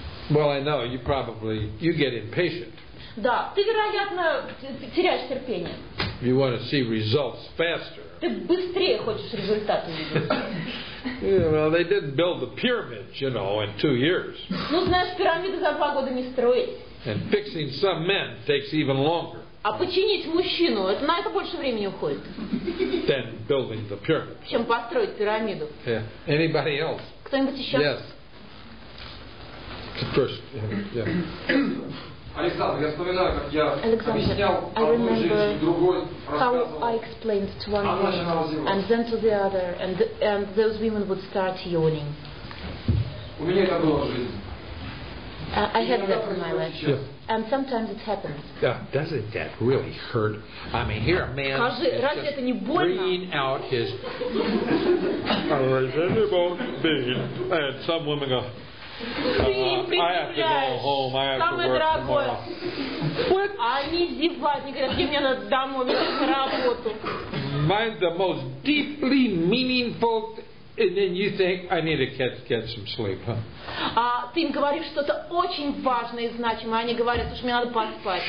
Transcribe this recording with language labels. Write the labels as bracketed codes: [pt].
[en] Well, I know you probably you get impatient. [ru] Да, ты вероятно теряешь терпение. [en] You want to see results faster. [ru] Ты быстрее хочешь результаты увидеть. [en] Yeah, well, they didn't build the pyramids, you know, in 2 years. [ru] Ну, знаешь, пирамиды за 2 года не строить. [en] And fixing some men takes even longer. [ru] А починить мужчину, это на это больше времени уходит. [en] Than building the pyramid. [ru] Чем построить пирамиду. [en] Yeah. Anybody else? [ru] Кто-нибудь еще? [en] Yes. First, yeah. [ru] Александр, я вспоминаю, как я Александр, объяснял одной женщине, другой рассказывал. [en] How I explained to one woman, and then to the other, and those women would start yawning. [ru] У меня это было в жизни. [en] I had that in my life. Yeah. And sometimes it happens. Yeah. Doesn't that really hurt? I mean, here a man is just bringing out his invisible being, and some women go. [ru] Ты им предъявляешь самое дорогое. [en] What? [ru] Они зевают, они говорят, где мне надо домой, мне на работу. [en] Mine's the most deeply meaningful, and then you think I need to get some sleep, huh? [ru] А ты им говоришь что-то очень важное и значимое, они говорят, уж мне надо поспать.